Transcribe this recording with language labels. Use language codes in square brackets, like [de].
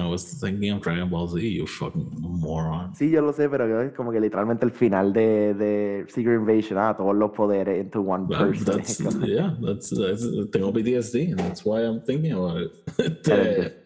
[en] I was thinking of Dragon Ball Z, you fucking moron. [es] Sí, yo lo sé, pero es como que literalmente el final de Secret Invasion, todos los poderes [en] into one person. That's, yeah, that's [es] tengo [en] PTSD, and that's why I'm thinking about it.